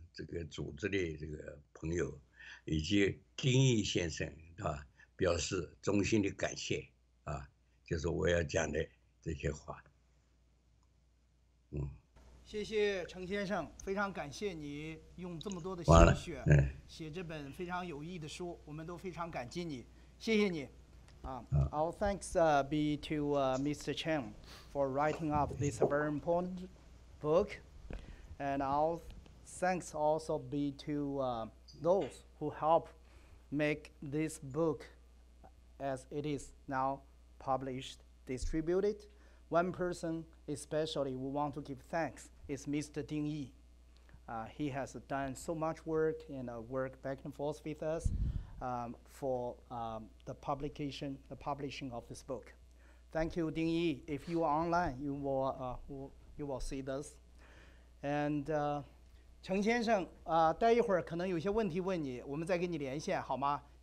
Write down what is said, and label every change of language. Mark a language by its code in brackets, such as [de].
[zh] 这个组织的这个朋友以及丁毅先生啊，表示衷心的感谢啊，就是我要讲的这些话。谢谢陈先生，非常感谢你用这么多的心血写这本非常有意义的书，我们都非常感激你，谢谢你啊。 [en] All thanks be to Mr. Chen for writing up this very important book, and thanks also be to those who help make this book as it is now published, distributed. One person especially we want to give thanks is Mr. Ding Yi. He has done so much work and worked back and forth with us for the publishing of this book. Thank you, Ding Yi. If you are online, you will see this. And [zh] 程先生待一会儿可能有些问题问你，我们再跟你连线好吗？